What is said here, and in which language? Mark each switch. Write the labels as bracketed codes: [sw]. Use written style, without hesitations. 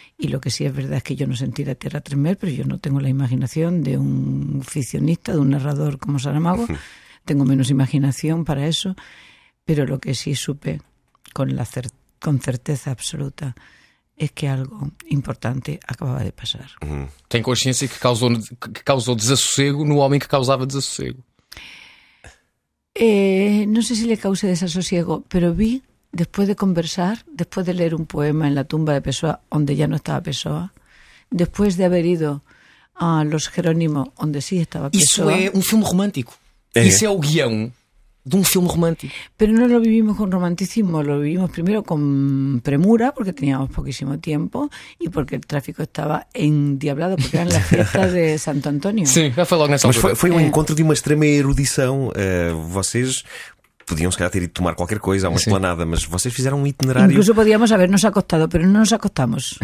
[es] Y lo que sí es verdad es que yo no sentí la tierra tremer, pero yo no tengo la imaginación de un ficcionista, de un narrador como Saramago. Tengo menos imaginación para eso, pero lo que sí supe con certeza absoluta es que algo importante acababa de pasar. [pt] Tem consciência que causou desassossego no homem que causava desassossego. [es] No sé si le causé desasosiego, pero vi, después de conversar, después de leer un poema en la tumba de Pessoa, donde ya no estaba Pessoa, después de haber ido a Los Jerónimos, donde sí estaba Pessoa... Eso es un filme romántico. Ese es el guión de un filme romántico. Pero no lo vivimos con romanticismo, lo vivimos primero con premura, porque teníamos poquísimo tiempo, y porque el tráfico estaba endiablado, porque eran las fiestas de Santo Antonio. Sí, ya fue [pt] logo nessa. Mas foi um encontro de uma extrema erudição. Vocês podiam, se calhar, ter ido tomar qualquer coisa, uma esplanada, mas vocês fizeram um itinerário... [es] Incluso podíamos habernos acostado, pero no nos acostamos.